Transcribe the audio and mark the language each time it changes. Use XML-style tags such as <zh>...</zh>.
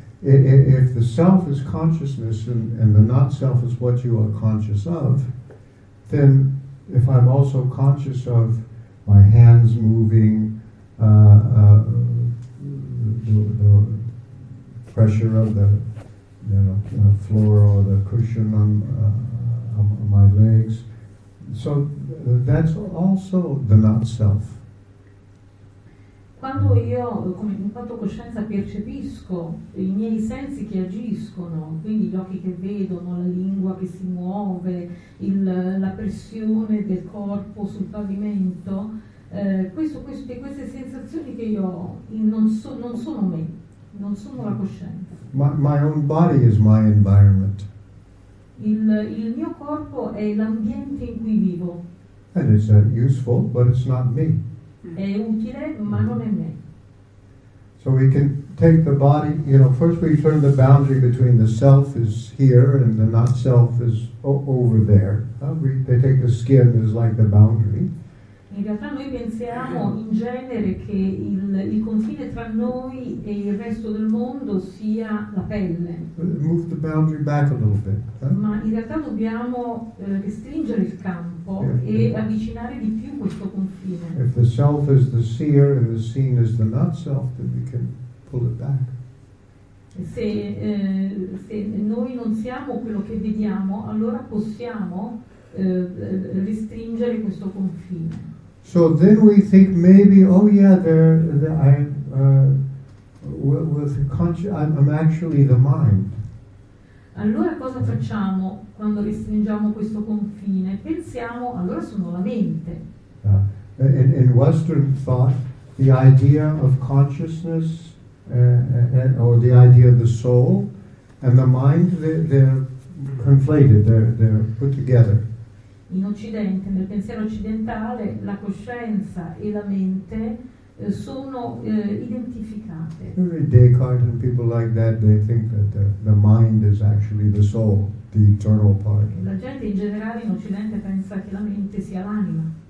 <en>If the self is consciousness and the not-self is what you are conscious of, then if I'm also conscious of my hands moving, the pressure of the floor or the cushion on my legs. So that's also the not-self.</en> <it>Quando io, come in quanto coscienza, percepisco i miei sensi che agiscono, quindi gli occhi che vedono, la lingua che si muove, la pressione del corpo sul pavimento, queste sensazioni che io ho non sono me, non sono la coscienza.</it> <en>My own body is my environment.</en> <it>Il mio corpo è l'ambiente in cui vivo.</it> <en>And it's useful, but it's not me.</en> <it>È utile, ma non è me.</it> <en>So we can take the body, first we turn the boundary between the self is here and the not-self is over there. They take the skin as like the boundary.</en> <it>In realtà noi pensiamo in genere che il confine tra noi e il resto del mondo sia la pelle.</it> <en>Move the boundary back a little bit, huh?</en> <it>Ma in realtà dobbiamo restringere il campo e avvicinare di più questo confine.</it> <en>If the self is the seer and the seen is the not self, then we can pull it back.</en> <it>Se noi non siamo quello che vediamo, allora possiamo restringere questo confine.</it> <en>So then we think maybe, oh yeah, I'm actually the mind.</en> <it>Allora cosa facciamo quando restringiamo questo confine? Pensiamo, allora sono la mente.</it> <en>In Western thought, the idea of consciousness or the idea of the soul and the mind, they're conflated, they're put together.</en> <it>In Occidente, nel pensiero occidentale, la coscienza e la mente sono identificate.</it> <en>Descartes and people like that, they think that the mind is actually the soul, the eternal part.</en> <it>La gente in generale in Occidente pensa che la mente sia l'anima.</it>